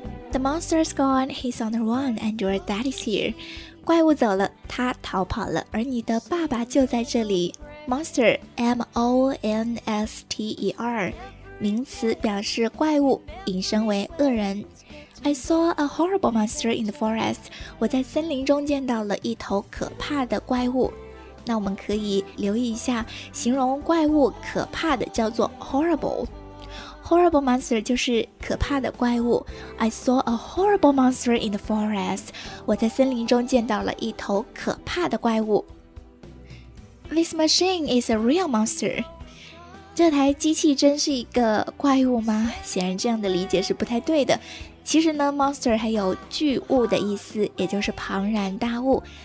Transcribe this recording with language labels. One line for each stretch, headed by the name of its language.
English: The monster's gone, he's on the run, and your dad is here.
Chinese: 怪物走了，他逃跑了，而你的爸爸就在这里。 Monster, M-O-N-S-T-E-R, 名词表示怪物，引申为恶人。
English: I saw a horrible monster in the forest.
Chinese: 我在森林中见到了一头可怕的怪物。那我们可以留意一下，形容怪物可怕的叫做 horrible。 Horrible monster 就是可怕的怪物。
English: I saw a horrible monster in the forest.
Chinese: 我在森林中见到了一头可怕的怪物。
English: This machine is a real monster.
Chinese: 这台机器真是一个怪物吗？显然这样的理解是不太对的。其实呢 ，monster 还有巨物的意思，也就是庞然大物。